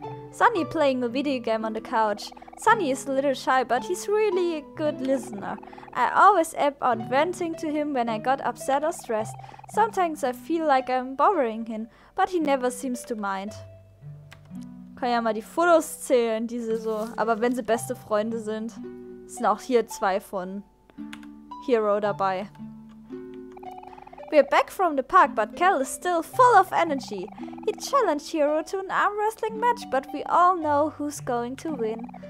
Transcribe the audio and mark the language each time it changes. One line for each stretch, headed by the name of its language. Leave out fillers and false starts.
English: Sunny playing a video game on the couch. Sunny is a little shy, but he's really a good listener. I always app on venting to him when I got upset or stressed. Sometimes I feel like I'm bothering him, but he never seems to mind.
German: Kann ja mal die Fotos zählen, die sie so... Aber wenn sie beste Freunde sind, sind auch hier zwei von Hero dabei.
English: We're back from the park, but Kel is still full of energy. He challenged Hero to an arm wrestling match, but we all know who's going to win.